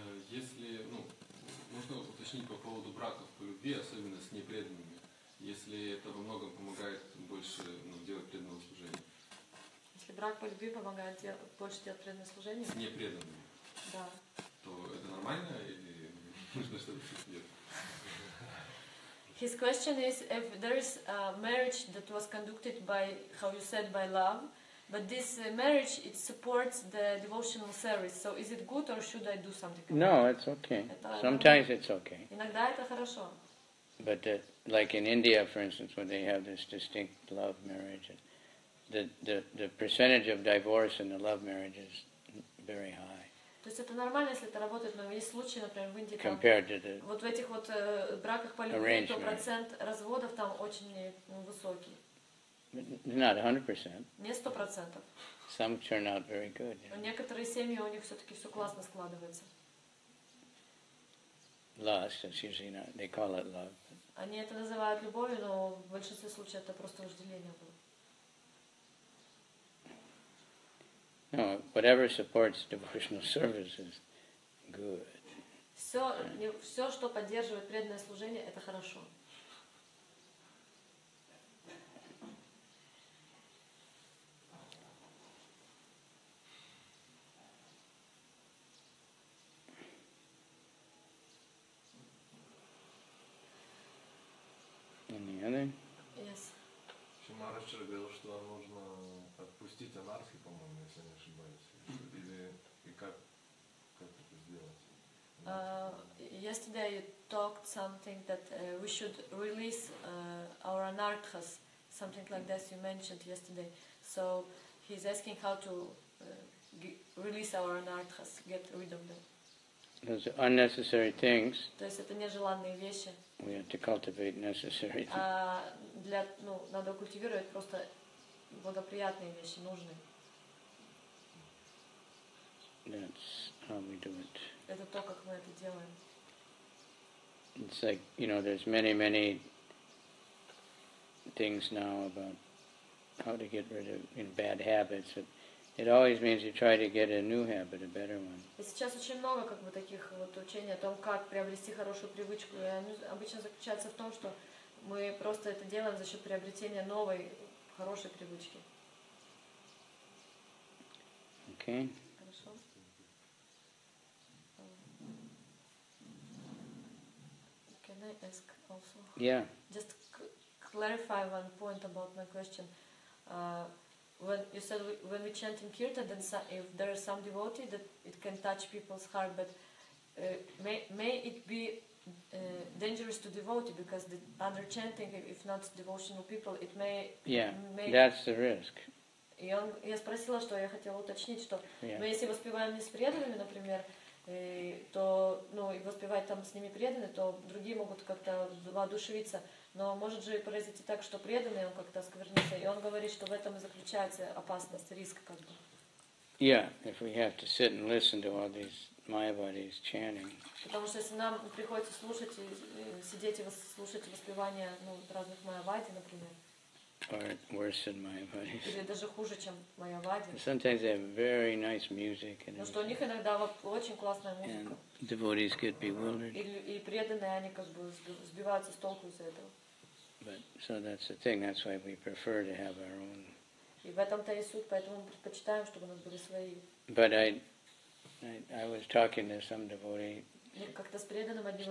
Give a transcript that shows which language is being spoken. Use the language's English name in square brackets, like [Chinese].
[Russian] Если, ну, можно уточнить по поводу браков по любви, особенно с непреданными, если это во многом помогает больше, ну, делать преданное служение? Если брак по любви помогает больше делать преданное служение? С непреданными. Да. То это нормально или нужно что-то делать? [English] His question is, if there is a marriage that was conducted by, how you said, by love, but this marriage, it supports the devotional service. So is it good or should I do something? No, it's okay. Sometimes it's okay. [Russian] Иногда это хорошо. [English] But like in India, for instance, where they have this distinct love marriage, and the percentage of divorce in the love marriage is very high. [Russian] То есть это нормально, если это работает, но есть случаи, например, в Индии, там, вот в этих вот браках по любви, то процент разводов там очень высокий. [English] Not 100%. [Russian] Не 100%. [English] Some turn out very good. [Russian] Но некоторые семьи, у них все-таки все классно складывается. [English] Lust, that's usually not, they call it love. [Russian] Они это называют любовью, но в большинстве случаев это просто вожделение было. [English] No, whatever supports devotional service is good. [Russian] Все, что поддерживает преданное служение, это хорошо. [English] Any other? Yes. [Russian] Шимара вчера говорил, что нужно отпустить анархию, по-моему, если я не ошибаюсь. Как это сделать? [English] Yesterday you talked something that we should release our anarchas, something like that you mentioned yesterday. So he's asking how to release our anarchas, get rid of them. Those are unnecessary things. [Russian] То есть это нежеланные вещи. [English] We have to cultivate necessary things. [Russian] Надо культивировать просто благоприятные вещи, нужные. [English] That's how we do it. [Russian] Это то, как мы это делаем. [English] It's like, you know, there's many, many things now about how to get rid of, you know, bad habits. But it always means you try to get a new habit, a better one. [Russian] Сейчас очень много как бы таких вот учений о том, как приобрести хорошую привычку. И они обычно заключаются в том, что мы просто это делаем за счет приобретения новой хорошей привычки. Окей. Хорошо. [English] Can I ask also? Yeah. Just clarify one point about my question. When you said when we chant in kirtan, then if there is some devotee, that it can touch people's heart, but may it be dangerous to devotee, because the other chanting, if not devotional people, it may... Yeah, that's the risk. [Russian] И он, я спросила, что я хотела уточнить, что мы, если воспеваем не с преданными, например, то, ну, и воспевать там с ними преданные, то другие могут как-то воодушевиться. Но может же произойти так, что преданный он как-то осквернится, и он говорит, что в этом и заключается опасность, риск как бы. [English] Yeah, if we have to sit and listen to all these Mayavadis chanting. [Russian] Потому что если нам приходится слушать и сидеть и слушать воспевания, ну, разных Mayavadi, например. [English] Or worse than Mayavadis. [Russian] Или даже хуже, чем Mayavadi. [English] Sometimes they have very nice music. [Russian] Но что у них иногда очень классная музыка. [English] And devotees get bewildered. [Russian] И преданные, они как бы сбиваются с толку из-за этого. [English] But so that's the thing. That's why we prefer to have our own. [Russian] И в этом-то и суть, поэтому мы предпочитаем, чтобы у нас были свои. [English] But I was talking to some devotee. [Russian] Как-то с преданным одним